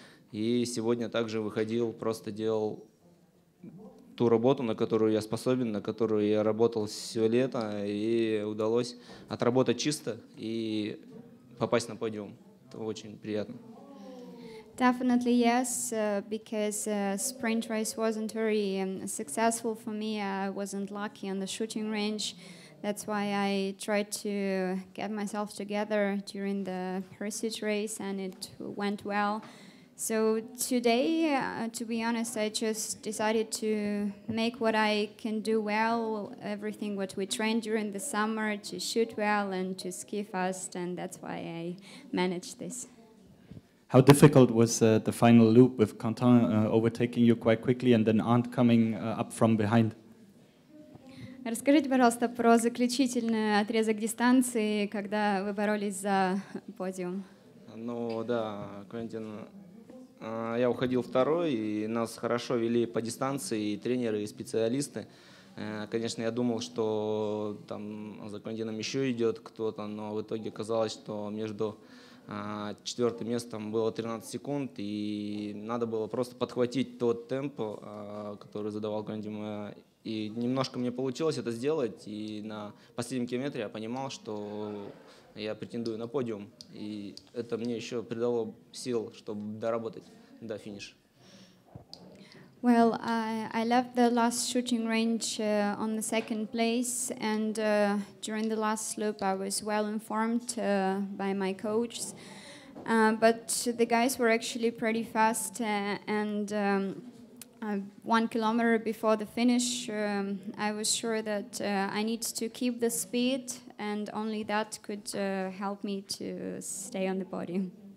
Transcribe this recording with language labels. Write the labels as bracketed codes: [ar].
[ru] И сегодня также выходил, просто делал ту работу, на которую я способен, на которую я работал все лето, и удалось отработать чисто и попасть на подиум. Это очень приятно. [en] Definitely yes, because sprint race wasn't very successful for me. I wasn't lucky on the shooting range. That's why I tried to get myself together during the pursuit race, and it went well. So today, to be honest, I just decided to make what I can do well, everything what we trained during the summer, to shoot well and to ski fast, and that's why I managed this. How difficult was the final loop with Quentin overtaking you quite quickly and then Ant coming up from behind? [ru] Расскажите, пожалуйста, про заключительный отрезок дистанции, когда вы боролись за подиум. Ну да, Квентин... Я уходил второй, и нас хорошо вели по дистанции и тренеры, и специалисты. Конечно, я думал, что там за Квентином еще идет кто-то, но в итоге казалось, что между четвертым местом было 13 секунд, и надо было просто подхватить тот темп, который задавал Квентин. И немножко мне получилось это сделать, и на последнем километре я понимал, что я претендую на подиум, и это мне еще придало сил, чтобы доработать до финиша. [en] Well, I left the last shooting range on the second place, and during the last loop I was well informed by my coaches, but the guys were actually pretty fast, and 1 kilometer before the finish, I was sure that I need to keep the speed, and only that could help me to stay on the podium.